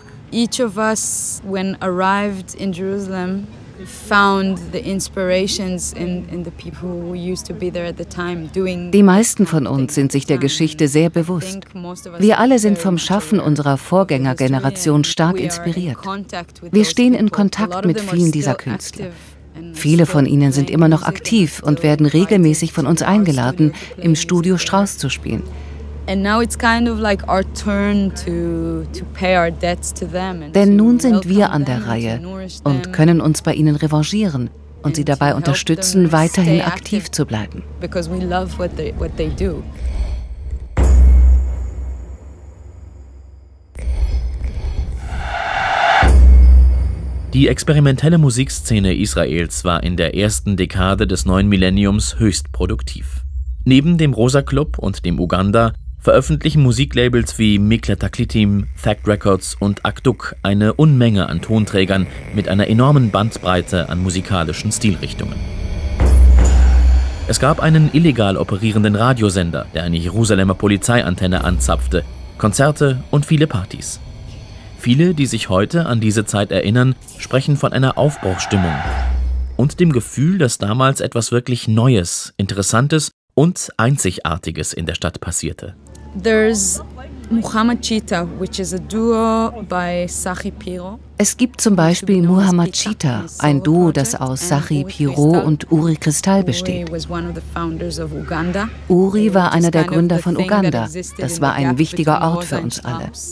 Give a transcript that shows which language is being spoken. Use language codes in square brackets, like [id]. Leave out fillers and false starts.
[en] Each of us, when arrived in Jerusalem, found the inspirations in the people who used to be there at the time doing. [de] Die meisten von uns sind sich der Geschichte sehr bewusst. Wir alle sind vom Schaffen unserer Vorgängergeneration stark inspiriert. Wir stehen in Kontakt mit vielen dieser Künstler. Viele von ihnen sind immer noch aktiv und werden regelmäßig von uns eingeladen, im Studio Strauss zu spielen. [en] And now it's kind of like our turn to pay our debts to them. [de] Denn nun sind wir an der Reihe und können uns bei ihnen revanchieren und sie dabei unterstützen, weiterhin aktiv zu bleiben. [en] Because we love what they do. [de] Die experimentelle Musikszene Israels war in der ersten Dekade des neuen Millenniums höchst produktiv. Neben dem Rosa Club und dem Uganda veröffentlichen Musiklabels wie Mikla Taklitim, Fact Records und Akduk eine Unmenge an Tonträgern mit einer enormen Bandbreite an musikalischen Stilrichtungen. Es gab einen illegal operierenden Radiosender, der eine Jerusalemer Polizeiantenne anzapfte, Konzerte und viele Partys. Viele, die sich heute an diese Zeit erinnern, sprechen von einer Aufbruchstimmung und dem Gefühl, dass damals etwas wirklich Neues, Interessantes und Einzigartiges in der Stadt passierte. [en] There's Muhammad Chita, which is a duo by Sahi Piro. [de] Es gibt zum Beispiel Muhammad Cheetah, ein Duo, das aus Sahi Piro und Uri Kristall besteht. Uri war einer der Gründer von Uganda. Das war ein wichtiger Ort für uns alle.